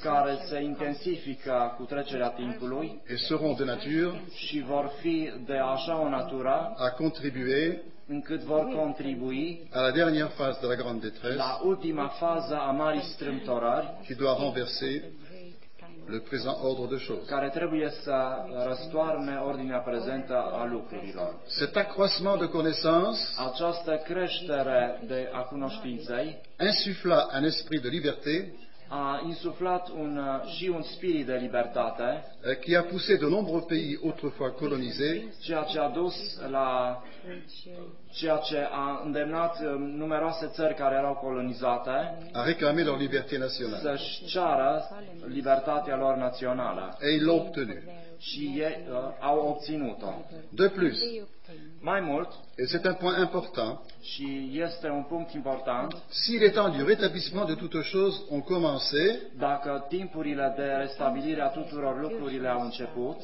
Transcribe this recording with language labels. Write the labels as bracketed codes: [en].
[ro] care se intensifică cu trecerea timpului, [fr] et seront de nature, [ro] și vor fi de așa o natură, [fr] à contribuer, [ro] încât vor contribui, [fr] à la dernière phase de la grande détresse, [ro] la ultima fază a marii strâmtorări, [fr] qui doit renverser le présent ordre de choses. [ro] Care trebuie să răstoarne ordinea prezentă a lucrurilor. [fr] Cet accroissement de connaissances, [ro] această creștere de a cunoștinței, [fr] insufla un esprit de liberté, [ro] a insuflat un și un spirit de libertate, [fr] qui a poussé de nombreux pays autrefois colonisés, [ro] ceea ce a dus la ceea ce a îndemnat numeroase țări care erau colonizate, [fr] a reclamé leur liberté nationale, [ro] să-și ceară libertatea lor națională, [fr] et ils l'ont obtenu, [ro] și ei au obținut-o. [fr] De plus, [ro] mai mult, [fr] et c'est un point important, [ro] și este un punct important, [fr] si les temps du rétablissement de toutes choses ont commencé, [ro] dacă timpurile de restabilire a tuturor lucrurile au început,